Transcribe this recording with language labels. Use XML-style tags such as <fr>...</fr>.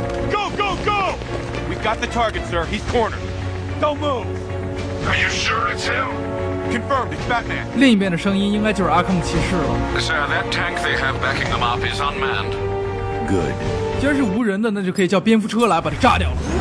<en>Go, go, go! We've got the target, sir. He's cornered. Don't move! Are you sure it's him? Confirmed, it's Batman.</en> <zh>另一边的声音应该就是阿康骑士了。</zh> <en>Sir, that tank they have backing them up is unmanned. Good.</en> <zh>既然是无人的，那就可以叫蝙蝠车来把它炸掉了。</zh>